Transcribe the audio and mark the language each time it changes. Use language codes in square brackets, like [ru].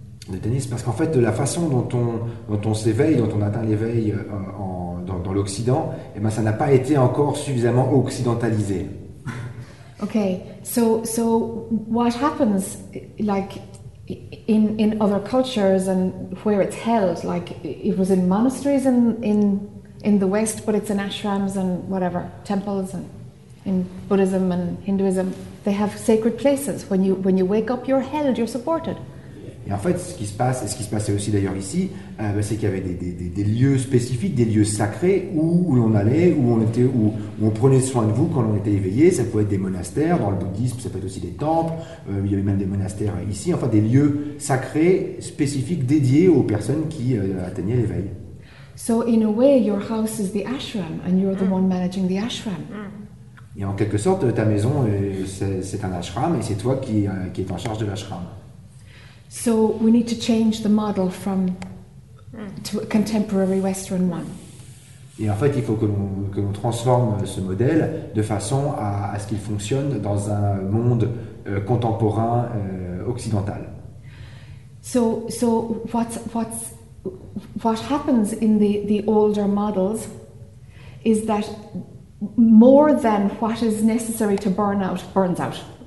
[fr] De Denis, parce qu'en fait, de la façon dont on s'éveille, dont on atteint l'éveil dans l'Occident, eh ben, ça n'a pas été encore suffisamment occidentalisé. [en] Okay, so what happens, like in other cultures and where it's held, like it was in monasteries in the West, but it's in ashrams and whatever temples and in Buddhism and Hinduism, they have sacred places. When you wake up, you're held, you're supported. [fr] Et en fait, ce qui se passe, et ce qui se passait aussi d'ailleurs ici, c'est qu'il y avait des lieux spécifiques, des lieux sacrés où l'on allait, où on prenait soin de vous quand on était éveillé. Ça pouvait être des monastères, dans le bouddhisme, ça peut être aussi des temples. Il y avait même des monastères ici. Enfin, des lieux sacrés, spécifiques, dédiés aux personnes qui atteignaient l'éveil. [en] So in a way, your house is the ashram, and you're the one managing the ashram. [fr] Et en quelque sorte, ta maison, c'est un ashram, et c'est toi qui es en charge de l'ashram. [en] So we need to change the model from to a contemporary Western one. [fr] Et en fait, il faut que l'on transforme ce modèle de façon à ce qu'il fonctionne dans un monde contemporain occidental. [en] So what happens in the older models is that more than what is necessary to burn out burns out.